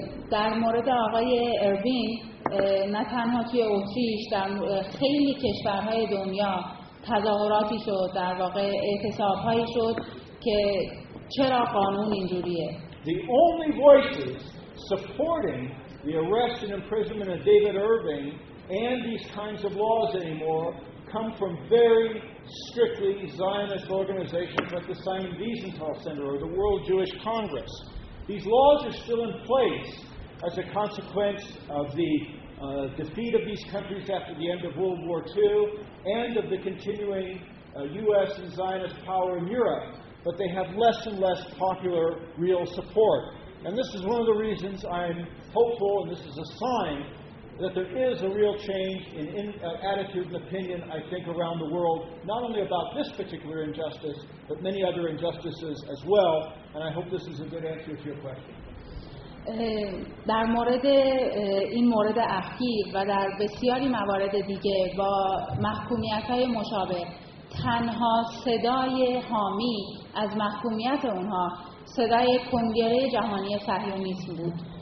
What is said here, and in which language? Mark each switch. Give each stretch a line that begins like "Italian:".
Persian: در مورد آقای اروین نه تنها توی اتریش در خیلی کشورهای دنیا تظاهراتی شد در واقع اعتصابهایی شد که چرا قانون اینجوریه.
English: The only voices supporting the arrest and imprisonment of David Irving and these kinds of laws anymore come from very strictly Zionist organizations like the Simon Wiesenthal Center or the World Jewish Congress. These laws are still in place as a consequence of the defeat of these countries after the end of World War II and of the continuing U.S. and Zionist power in Europe, but they have less and less popular real support. And this is one of the reasons I'm hopeful, and this is a sign that there is a real change in attitude and opinion, I think, around the world, not only about this particular injustice, but many other injustices as well. And I hope this is a good answer to your question.
Persian: در مورد این مورد اخیر و در بسیاری موارد دیگه با محکومیت‌های مشابه تنها صدای حامی از محکومیت اونها صدای کنگره جهانی صهیونیسم بود.